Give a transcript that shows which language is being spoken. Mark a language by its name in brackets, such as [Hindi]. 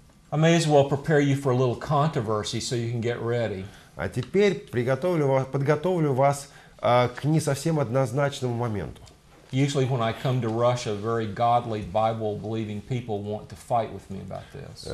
[English] I may as well prepare you for a little controversy so you can get ready. [Russian] А теперь подготовлю вас к не совсем однозначному моменту. [English] Usually when I come to Russia, very godly, Bible-believing people want to fight with me about this.